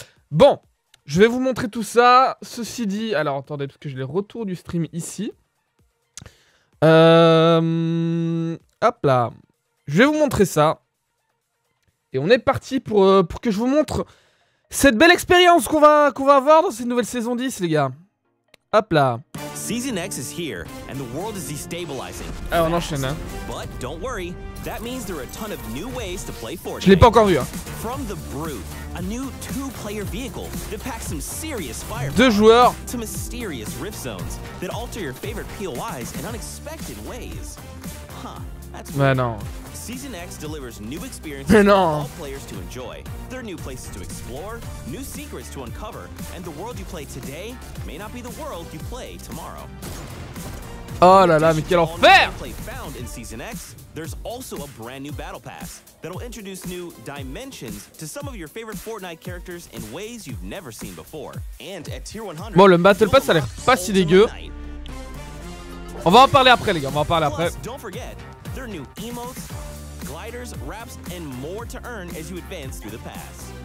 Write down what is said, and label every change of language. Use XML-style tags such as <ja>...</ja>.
<fr>Bon, je vais vous montrer tout ça. Ceci dit, alors attendez, parce que j'ai les retours du stream ici. Hop là. Je vais vous montrer ça. Et on est parti pour que je vous montre cette belle expérience qu'on va avoir dans cette nouvelle saison 10, les gars. Hop là.</fr> <en>Season X is here, and the world is destabilizing.</en> <fr>Ah, on enchaîne, hein.</fr> <en>But don't worry, that means there are a ton of new ways to play Fortnite.</en> <fr>Je l'ai pas encore vu, hein.</fr> <en>From the Brute, a new two-player vehicle that packs some serious firepower.</en> <fr>Deux joueurs.</fr> <en>To mysterious rift zones that alter your favorite POIs in unexpected ways. Huh, that's weird.</en> <fr>Mais non.</fr> <en>Season X delivers new experiences for all players to enjoy. There are new places to explore, new secrets to uncover, and the world you play today may not be the world you play tomorrow.</en> <fr>Oh là là, mais quel enfer!</fr> <en>Found in Season X, there's also a brand new battle pass that'll introduce new dimensions to some of your favorite Fortnite characters in ways you've never seen before. And at tier 100,</en> <fr>bon, le battle pass a l'air pas si dégueu. On va en parler après, les gars. On va en parler après.</fr> <en>Don't forget, there are new emotes, gliders, wraps, and more to earn as you advance through the pass.</en>